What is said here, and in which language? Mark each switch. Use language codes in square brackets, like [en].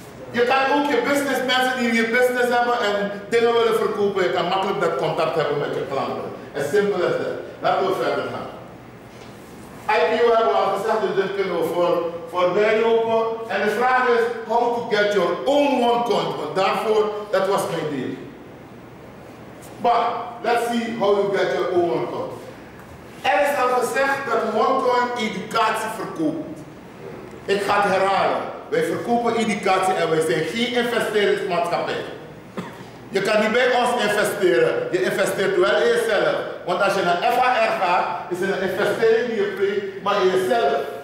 [nl] Je kan ook je business, mensen die in je business hebben en dingen willen verkopen, je kan makkelijk dat contact hebben met je klanten. [en] As simple as that. [nl] Laten we verder gaan. IPO hebben we al gezegd, dus dit kunnen we voorbij lopen. En de vraag is, [en] how to get your own one coin? [nl] Want daarvoor, dat was mijn deal. [en] But, let's see how you get your own one coin. [nl] Er is al gezegd dat one coin educatie verkoopt. Ik ga het herhalen. wij verkopen indicatie en wij zijn geen investeringsmaatschappij. Je kan niet bij ons investeren, je investeert wel in jezelf. Want als je naar FAR gaat, is het een investering die je pleegt, maar in jezelf.